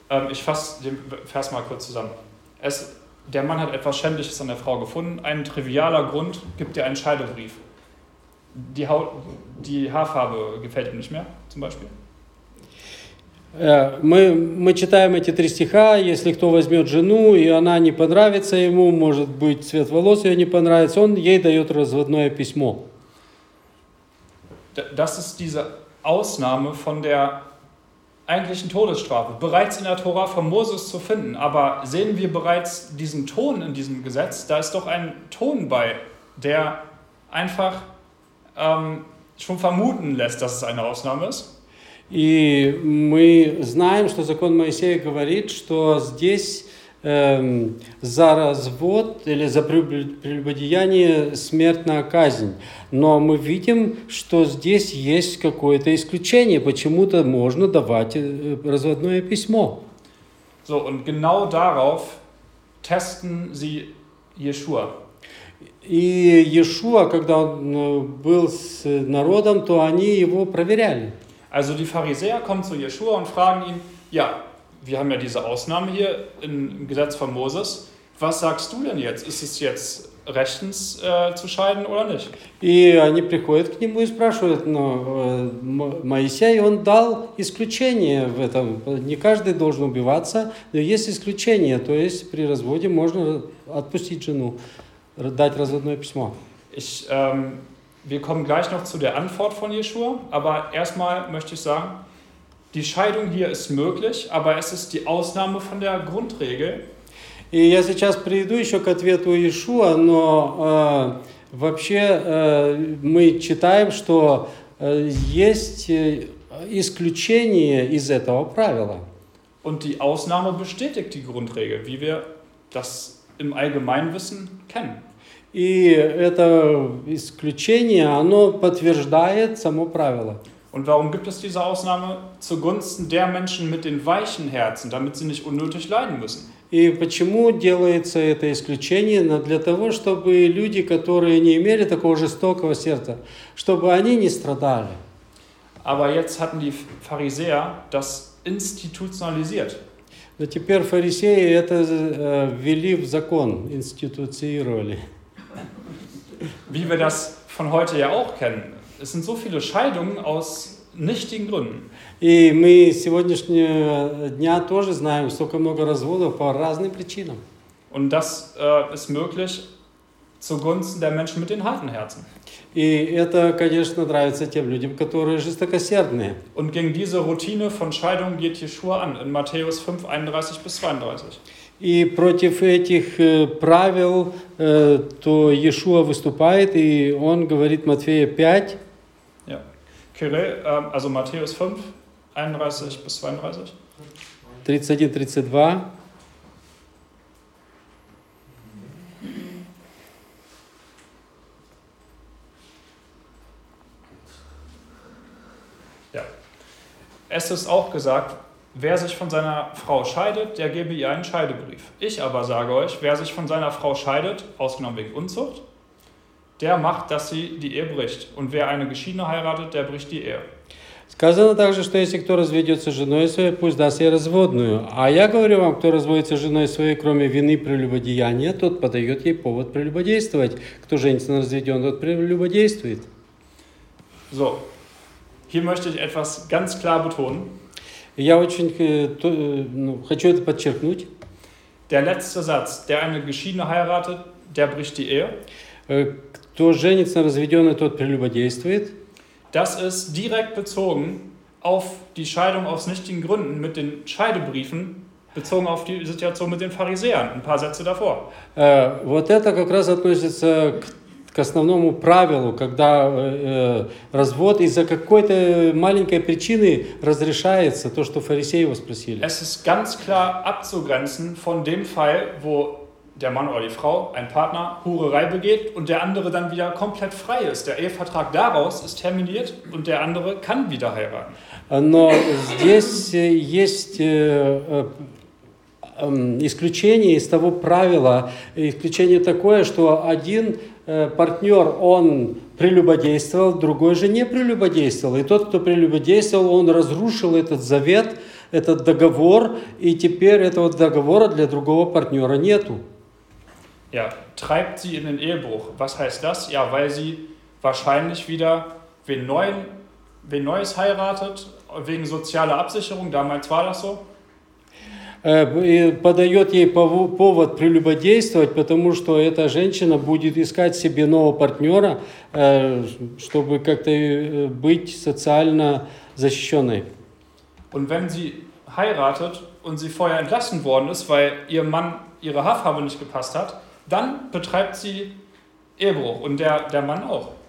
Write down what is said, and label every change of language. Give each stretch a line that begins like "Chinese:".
German: Ich fasse den Vers mal kurz zusammen. Der Mann hat etwas Schändliches an der Frau gefunden. Ein trivialer Grund gibt ihr einen Scheidebrief. Die Haarfarbe gefällt ihm nicht mehr, zum Beispiel.
Russian: Мы читаем эти три стиха. Если кто возьмет жену, и она не понравится ему, может быть, цвет волос ей не понравится, он ей дает разводное письмо.
German: Das ist diese Ausnahme von der eigentlichen Todesstrafe, bereits in der Tora von Moses zu finden. Aber sehen wir bereits diesen Ton in diesem Gesetz? Da ist doch ein Ton bei, der einfach schon vermuten lässt, dass es eine Ausnahme ist.
Russian: И мы знаем, что закон Моисея говорит, что здесь за развод или за прелюбодеяние смертная казнь. Но мы видим, что здесь есть какое-то исключение. Почему-то можно давать разводное письмо.
German: So, und genau darauf testen sie Yeshua.
Russian: И Иешуа, когда он был с народом, то они его проверяли.
German: Also die Pharisäer kommen zu Yeshua und fragen ihn, ja, wir haben ja diese Ausnahme hier im Gesetz von Moses. Was sagst du denn jetzt? Ist es jetzt rechtens zu scheiden oder nicht?
Russian: И они приходят к нему и спрашивают, но Моисей, он дал исключение в этом. Не каждый должен убиваться, но есть исключение. То есть при разводе можно отпустить жену, дать разводное письмо.
German: Wir kommen gleich noch zu der Antwort von Yeshua, aber erstmal möchte ich sagen, die Scheidung hier ist möglich, aber es ist die Ausnahme von der Grundregel.
Russian: И я сейчас перейду еще к ответу Иешуа, но вообще мы читаем, что есть исключение из этого правила.
German: Und die Ausnahme bestätigt die Grundregel, wie wir das im Allgemeinwissen kennen.
Russian: И это исключение, оно подтверждает само правило.
German: Und warum gibt es diese Ausnahme zugunsten der Menschen mit den weichen Herzen, damit sie nicht unnötig leiden müssen?
Russian: И почему делается это исключение? Для того, чтобы люди, которые не имели такого жестокого сердца, чтобы они не страдали.
German: Aber jetzt hatten die Pharisäer das institutionalisiert.
Russian: Но теперь фарисеи это ввели в закон, институционировали.
German: Wie wir das von heute ja auch kennen. Es sind so viele Scheidungen aus nichtigen Gründen.
Russian: И мы сегодняшнего дня тоже знаем столько много разводов по разным причинам.
German: Und das ist möglich Zugunsten der Menschen mit den harten Herzen.
Russian: И это, конечно, нравится тем людям, которые жестокосердные.
German: Und gegen diese Routine von Scheidung geht Jeschua an in Matthäus 5:31-32.
Russian: И против этих правил то Иешуа выступает, и он говорит Матфея 5.
German: Ja. Кирилл, also Matthäus 5:31-32. 31-32. Es ist auch gesagt, wer sich von seiner Frau scheidet, der gebe ihr einen Scheidebrief. Ich aber sage euch, wer sich von seiner Frau scheidet, ausgenommen wegen Unzucht, der macht, dass sie die Ehe bricht. Und wer eine Geschiedene heiratet, der bricht die Ehe.
Russian: Сказано также, что если кто разведется с женой своей, пусть даст ей разводную. А я говорю вам, кто разводится с женой своей, кроме вины прелюбодеяния, тот подает ей повод прелюбодействовать. Кто женится на разведенном, тот прелюбодействует.
German: So. Hier möchte ich etwas ganz klar betonen.
Russian: Я очень хочу это подчеркнуть.
German: Der letzte Satz, der eine Geschiedene heiratet, der bricht die Ehe.
Russian: Кто женится на разведенной, тот прелюбодействует.
German: Das ist direkt bezogen auf die Scheidung aus nichtigen Gründen mit den Scheidebriefen, bezogen auf die Situation mit den Pharisäern, ein paar Sätze davor.
Russian: Вот это как раз относится к к основному правилу, когда развод из-за какой-то маленькой причины разрешается, то, что фарисеи его спросили.
German: Es ist ganz klar abzugrenzen von dem Fall, wo der Mann oder die Frau, ein Partner, Hurerei begeht und der andere dann wieder komplett frei ist. Der Ehevertrag daraus ist terminiert und der andere kann wieder heiraten.
Russian: Но здесь есть исключение из того правила, исключение такое, что один партнер, он прелюбодействовал, другой же не прелюбодействовал. И тот, кто прелюбодействовал, он разрушил этот завет, этот договор, и теперь этого договора для другого партнера нету.
German: Ja, treibt sie in den Ehebruch. Was heißt das? Ja, weil sie wahrscheinlich wieder wen Neues heiratet, wegen sozialer Absicherung, damals war das so.
Russian: Подает ей повод прелюбодействовать, потому что эта женщина будет искать себе нового партнера, чтобы как-то быть социально защищенной.
German: Und wenn sie heiratet und sie vorher entlassen worden ist, weil ihr Mann ihre Haarfarbe nicht gepasst hat, dann betreibt sie Ehebruch und der Mann auch.